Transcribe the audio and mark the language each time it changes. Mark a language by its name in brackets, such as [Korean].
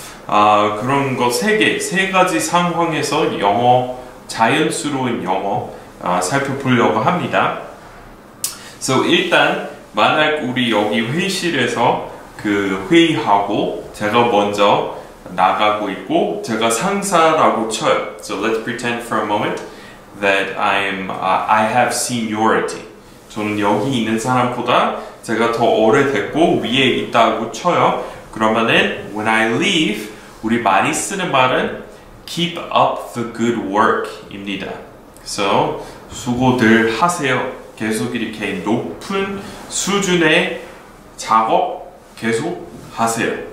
[Korean] 아, 그런 거 세 가지 상황에서 영어, 자연스러운 영어 살펴보려고 합니다. So 일단 만약 우리 여기 회의실에서 그 회의하고 제가 먼저 나가고 있고 제가 상사라고 쳐요. [English] So let's pretend for a moment that I have seniority. [Korean] 저는 여기 있는 사람보다 제가 더 오래됐고 위에 있다고 쳐요. 그러면은 [English] when I leave, [Korean] 우리 많이 쓰는 말은 [English] keep up the good work [Korean] 입니다. So 수고들 하세요. 계속 이렇게 높은 수준의 작업 계속 하세요.